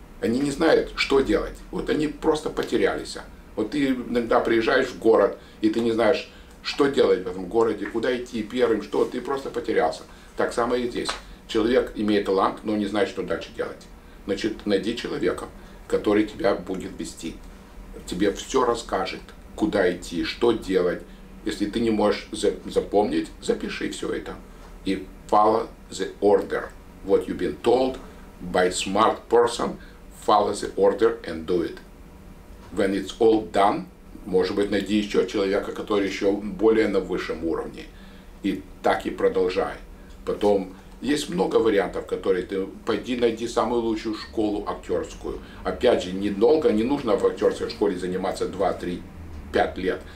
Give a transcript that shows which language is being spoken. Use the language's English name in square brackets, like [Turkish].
[Russian] Они не знают, что делать. Вот они просто потерялись. Вот ты иногда приезжаешь в город, и ты не знаешь, что делать в этом городе, куда идти первым, что, ты просто потерялся. Так само и здесь. Человек имеет талант, но не знает, что дальше делать. Значит, найди человека, который тебя будет вести. Тебе все расскажет, куда идти, что делать. Если ты не можешь запомнить, запиши все это. [English] И follow the order. What you've been told by smart person, follow the order and do it. When it's all done, [Russian] может быть, найди еще человека, который еще более на высшем уровне. И так и продолжай. Потом, есть много вариантов, которые ты... Пойди найди самую лучшую школу актерскую. Опять же, недолго, не нужно в актерской школе заниматься 2, 3, 5 лет.